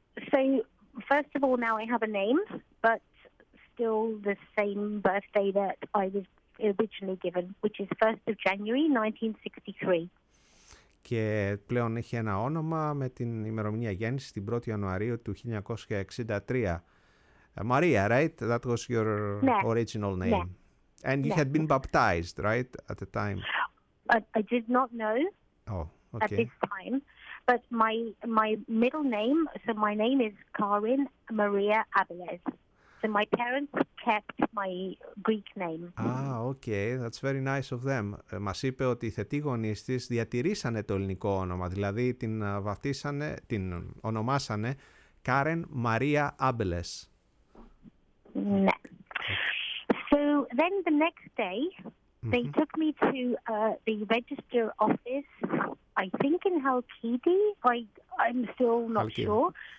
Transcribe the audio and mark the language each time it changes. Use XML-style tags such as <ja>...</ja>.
<en>So first of all, now I have a name, but still the same birthday that I was originally given, which is 1st of January 1963.</en> <el>Και πλέον έχει ένα όνομα με την ημερομηνία γέννησης την 1η Ιανουαρίου του 1963.</el> <en>Maria, right? That was your original name. And you had been baptized, right, at the time? I did not know at this time. But my middle name, so my name is Karin Maria Aviles. So my parents kept my Greek name. Ah, okay. That's very nice of them.</en> <el>Μας είπε ότι οι θετοί γονείς της διατηρήσανε το ελληνικό όνομα. Δηλαδή την βαπτίσανε, την ονομάσανε Karin Maria Aviles.</el> <en>No. So then the next day, they took me to the register office, I think in Halkidi. I'm still not Halkidi. Sure.</en>